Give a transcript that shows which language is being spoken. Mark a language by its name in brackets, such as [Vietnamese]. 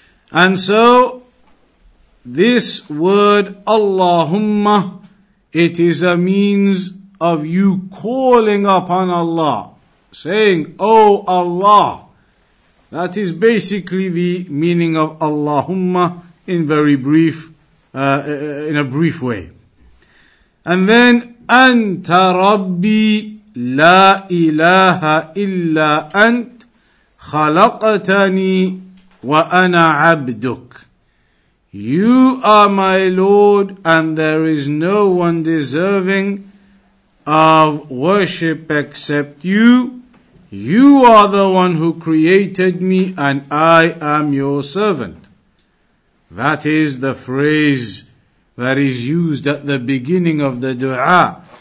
[English] And so this word, Allahumma, it is a means of you calling upon Allah, saying, O Allah. That is basically the meaning of Allahumma in very brief, in a brief way. And then, [Arabic] أنت ربي لا إله إلا أنت خلقتني وأنا عبدك. [English] You are my Lord and there is no one deserving of worship except you. You are the one who created me and I am your servant. That is the phrase that is used at the beginning of the dua.